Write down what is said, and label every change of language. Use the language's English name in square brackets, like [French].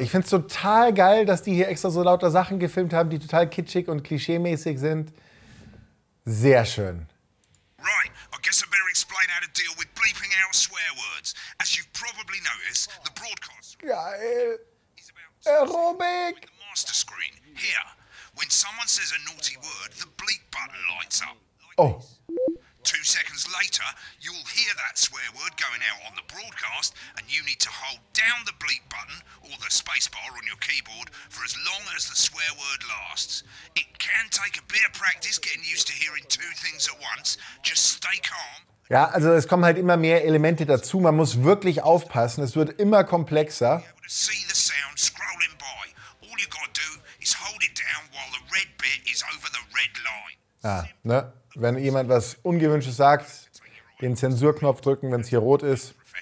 [German] Ich finde es total geil, dass die hier extra so lauter Sachen gefilmt haben, die total kitschig und klischeemäßig sind. Sehr schön. [English] Right. I guess I better explain how to deal with bleeping out swear words. As you've probably noticed, the broadcast... [German] Geil! Aerobic! [English] ...with the master screen. Here, says a naughty word, the bleep button lights up. Oh. 2 seconds later, you'll hear that swear word going out on the broadcast, and you need to hold down the bleep button or the spacebar on your keyboard for as long as the swear word lasts. It can take a bit of practice getting used to hearing two things at once. Just stay calm. [German] Ja, also es kommen halt immer mehr Elemente dazu. Man muss wirklich aufpassen. Es wird immer komplexer. [English] See the sound scrolling by. All you gotta do is hold it down while the red bit is over the red line. [German] Ah, ne? Wenn jemand was Ungewünschtes sagt, den Zensurknopf drücken, wenn es hier rot ist.